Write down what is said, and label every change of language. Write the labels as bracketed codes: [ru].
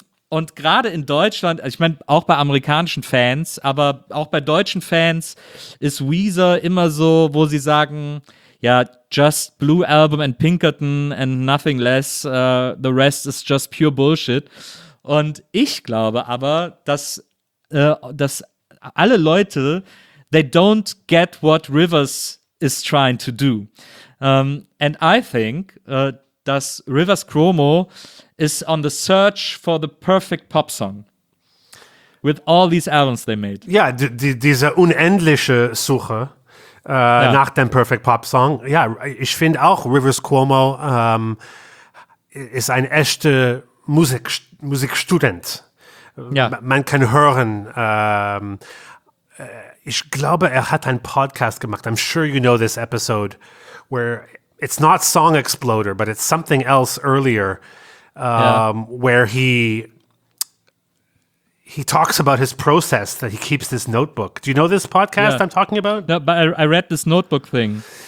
[de] Und gerade in Deutschland, ich meine auch bei amerikanischen Fans, aber auch bei deutschen Fans ist Weezer immer so, wo sie sagen, ja, [en] just Blue Album and Pinkerton and nothing less. The rest is just pure bullshit. [de] Und ich glaube aber, dass alle Leute, [en] they don't get what Rivers is trying to do. And I think dass Rivers Cuomo is on the search for the perfect pop song with all these albums they made. [de] Ja, diese unendliche Suche nach dem [en] perfect pop song. [de] Ja, ich finde auch, Rivers Cuomo ist ein echter Musikstudent. Ja. Man kann hören, ich glaube, er hat einen Podcast gemacht. [en] I'm sure you know this episode, where it's not Song Exploder, but it's something else earlier, where he talks about his process, that he keeps this notebook. Do you know this podcast I'm talking about? No, but I read this notebook thing.